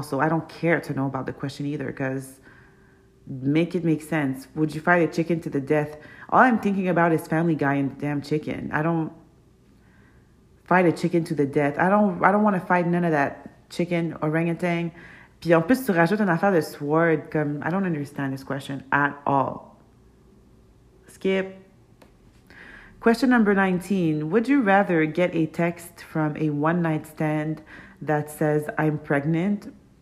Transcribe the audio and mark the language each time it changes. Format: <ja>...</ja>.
<en>Also, I don't care to know about the question either, because make it make sense. Would you fight a chicken to the death? All I'm thinking about is Family Guy and the damn chicken. I don't fight a chicken to the death. I don't want to fight none of that chicken, orangutan.</en> <fr>Puis en plus, tu rajoutes une affaire de sword.</fr> <en>Comme, I don't understand this question at all. Skip. Question number 19. Would you rather get a text from a one-night stand that says, I'm pregnant?</en>